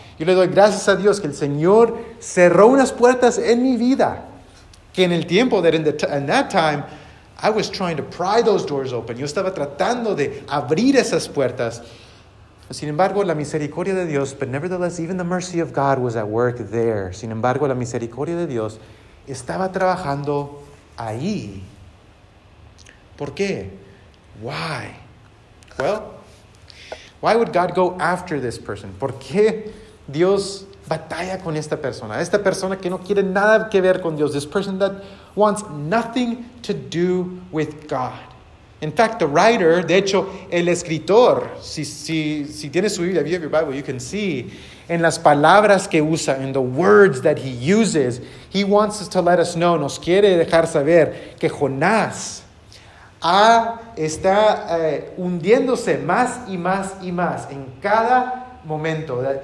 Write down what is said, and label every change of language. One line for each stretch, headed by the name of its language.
Spanish: Yo le doy gracias a Dios que el Señor cerró unas puertas en mi vida, que en el tiempo,
English: that in that time, I was trying to pry those doors open.
Spanish: Yo estaba tratando de abrir esas puertas. Sin embargo, la misericordia de Dios,
English: but nevertheless, even the mercy of God was at work there.
Spanish: Sin embargo, la misericordia de Dios estaba trabajando ahí. ¿Por qué?
English: Why? Well, why would God go after this person?
Spanish: ¿Por qué Dios batalla con esta persona? Esta persona que no quiere nada que ver con Dios.
English: This person that wants nothing to do with God. In fact, the writer,
Spanish: de hecho, el escritor, si tienes su Biblia,
English: if you have your Bible, you can see
Spanish: en las palabras que usa,
English: in the words that he uses, he wants us to let us know,
Spanish: nos quiere dejar saber que Jonás está hundiéndose más y más y más en cada momento.